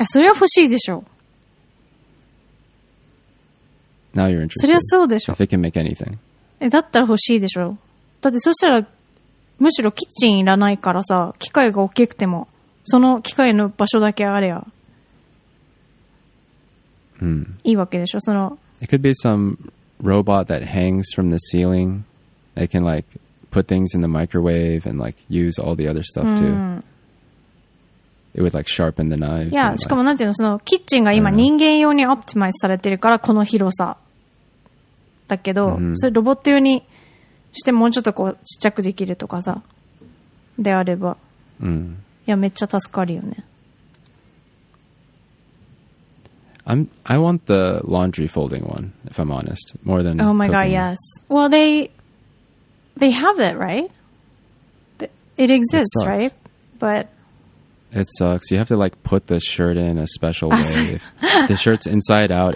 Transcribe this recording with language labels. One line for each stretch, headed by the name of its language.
Japanese: それは欲しいでしょう。
English: Now you're interested.
Japanese: それはそうでしょう。
English: If it can make anything.
Japanese: え、だったら欲しいでしょう。だってそしたらむしろキッチンいらないからさ、機械が大きくてもその機械の場所だけあれや、うん、いいわけでしょ。その
English: It could be some robot that hangs from the ceiling. It can like put things in the microwave and like use all the other stuff too、うん、 It would like sharpen the knives.
Japanese: いや、
English: like,
Japanese: しかもなんていうの、そのキッチンが今人間用にオプティマイズされてるからこの広さだけど、うん、それロボット用にしてもうちょっとこうちっちゃくできるとかさ、であれば、うん、いや、めっちゃ助かるよね。
English: I want the laundry folding one, if I'm honest, more than Oh my god, yes. Well, they have it, right? It exists, it sucks. Right? But it sucks. You have to like put the shirt in a special way. The shirt's inside out.